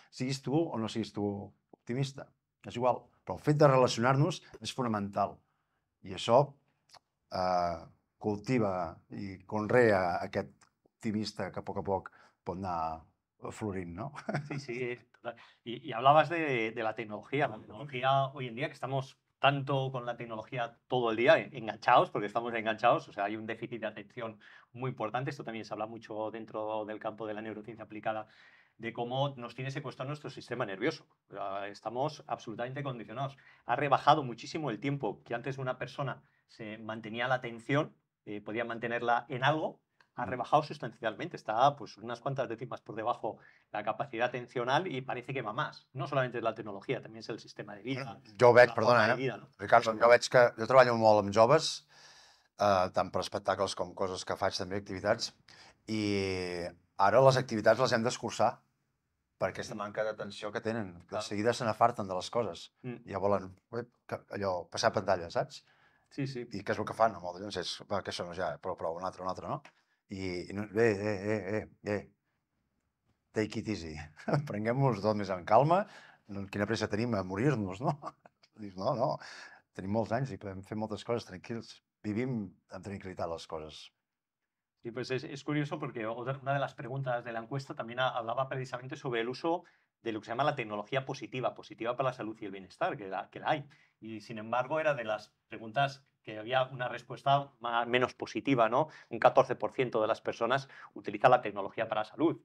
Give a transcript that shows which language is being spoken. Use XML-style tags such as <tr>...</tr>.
<ca>Siguis tu o no siguis tu optimista, és igual. Però el fet de relacionar-nos és fonamental. I això cultiva i conrea aquest optimista que a poc pot anar florint, no? Sí, sí. I hablaves de la tecnologia.</ca> <es>La tecnologia, hoy en día, que estamos tanto con la tecnología todo el día, enganchados, porque estamos enganchados, o sea, hay un déficit de atención muy importante. Esto también se habla mucho dentro del campo de la neurociencia aplicada, de cómo nos tiene secuestrado nuestro sistema nervioso. Estamos absolutamente condicionados. Ha rebajado muchísimo el tiempo que antes una persona se mantenía la atención, podía mantenerla en algo, ha rebajado sustancialmente, está pues unas cuantas décimas por debajo la capacidad atencional y parece que va más. No solamente es la tecnología, también es el sistema de vida.</es> <ca>Jo veig, perdona, Ricardo, jo veig que jo treballo molt amb joves, tant per espectacles com coses que faig també, activitats, i ara les activitats les hem d'escurçar per aquesta manca d'atenció que tenen. De seguida se n'afarten de les coses. Ja volen allò, passar pantalla, saps? Sí, sí. I què és el que fan? Molt de gent va, que això no, ja, però un altre, no? I bé,</ca> <en>take it easy.</en> <ca>Prenguem-nos tot més en calma. Quina pressa tenim a morir-nos, no? No, tenim molts anys i podem fer moltes coses tranquils. Vivim amb tranquil·litat les coses.</ca> <es>Sí, pues es curioso porque una de las preguntas de la encuesta también hablaba precisamente sobre el uso de lo que se llama la tecnología positiva, positiva para la salud y el bienestar, que la hay. Y sin embargo, era de las preguntas que había una respuesta menos positiva, ¿no? Un 14% de las personas utiliza la tecnología para la salud.</es>